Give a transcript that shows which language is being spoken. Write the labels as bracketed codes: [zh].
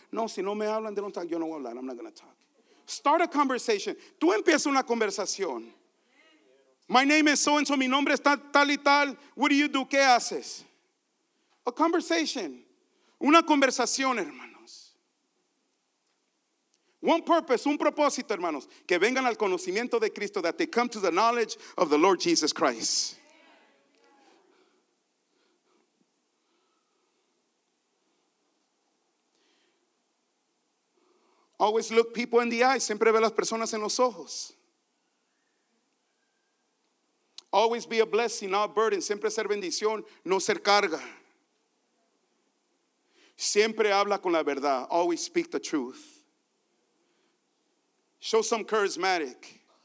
[es] No, si no me hablan, [en] they don't talk, [es] yo no voy a hablar, [en] I'm not going to talk. Start a conversation. [es] Tú empieza una conversación. [en] My name is so and so. [es] Mi nombre está tal y tal. [en] What do you do? [es] ¿Qué haces? [en] A conversation. [es] Una conversación, hermanos. [en] One purpose, [es] un propósito, hermanos. Que vengan al conocimiento de Cristo. [en] That they come to the knowledge of the Lord Jesus Christ. Always look people in the eyes. [es] Siempre ve las personas en los ojos. [en] Always be a blessing, not a burden. [es] Siempre ser bendición, no ser carga. Siempre habla con la verdad. [en] Always speak the truth. Show some charismatic.